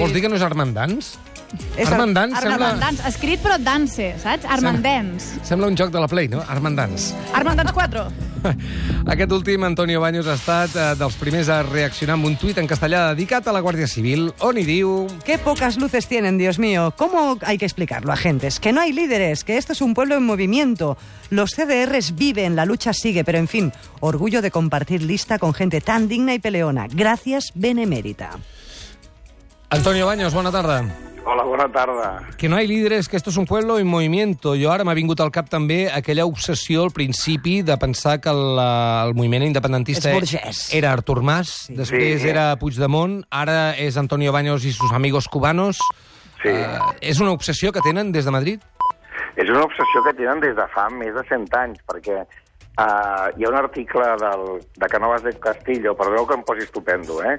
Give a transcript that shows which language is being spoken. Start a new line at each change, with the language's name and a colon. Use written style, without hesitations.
Catalan: Vols dir que no és Armandans? Armandans sembla... Armandans, escrit però dance, saps? Armandans. Sembla un joc de la Play, no? Armandans. Armandans 4. Aquest últim, Antonio Baños, ha estat dels primers a reaccionar amb un tuit en castellà dedicat a la Guàrdia Civil, on hi diu...
Spanish: Qué pocas luces tienen, Dios mío. ¿Cómo hay que explicarlo, agentes? Que no hay líderes, que esto es un pueblo en movimiento. Los CDRs viven, la lucha sigue, pero en fin, orgullo de compartir lista con gente tan digna y peleona. Gracias, benemérita.
Catalan: Antonio Baños, bona tarda. Hola, bona tarda.
Spanish: Que no hay líderes, que esto es un pueblo en movimiento.
Catalan: Jo ara m'ha vingut al cap també aquella obsessió al principi de pensar que el moviment independentista era Artur Mas, sí. Després sí. Era Puigdemont, ara és Antonio Baños i
Spanish: sus amigos cubanos.
Catalan: Sí. És una obsessió que tenen des de Madrid? És una obsessió que tenen des de fa més de 100 anys, perquè hi ha un article de Canovas de Castillo, perdoneu que em posi estupendo, eh?